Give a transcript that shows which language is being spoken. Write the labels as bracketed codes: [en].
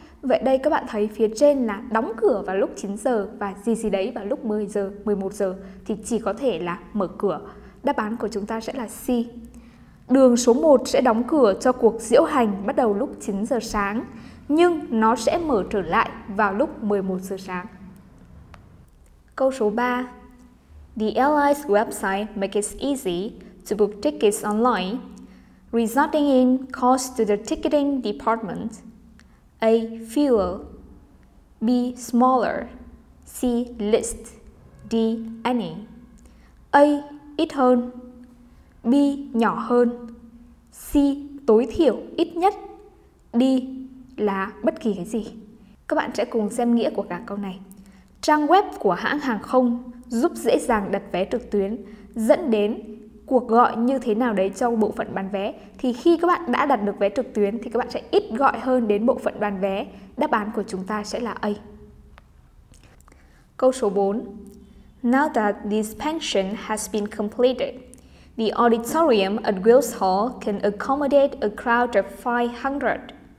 [vi] Vậy đây các bạn thấy phía trên là đóng cửa vào lúc 9 giờ và gì gì đấy vào lúc 10 giờ, 11 giờ thì chỉ có thể là mở cửa. Đáp án của chúng ta sẽ là C. Đường số 1 sẽ đóng cửa cho cuộc diễu hành bắt đầu lúc 9 giờ sáng, nhưng nó sẽ mở trở lại vào lúc 11 giờ sáng. Câu số 3. [en] The airline's website makes it easy to book tickets online, resulting in costs to the ticketing department. A. Fewer. B. Smaller. C. List. D. Any. [vi] A. Ít hơn. B. Nhỏ hơn. [en] C. [vi] Tối thiểu, ít nhất. D. Là bất kỳ cái gì. Các bạn sẽ cùng xem nghĩa của cả câu này. Trang web của hãng hàng không giúp dễ dàng đặt vé trực tuyến, dẫn đến cuộc gọi như thế nào đấy cho bộ phận bán vé. Thì khi các bạn đã đặt được vé trực tuyến thì các bạn sẽ ít gọi hơn đến bộ phận bán vé. Đáp án của chúng ta sẽ là A. Câu số 4. [en] Now that the expansion has been completed, the auditorium at Wills Hall can accommodate a crowd of 500.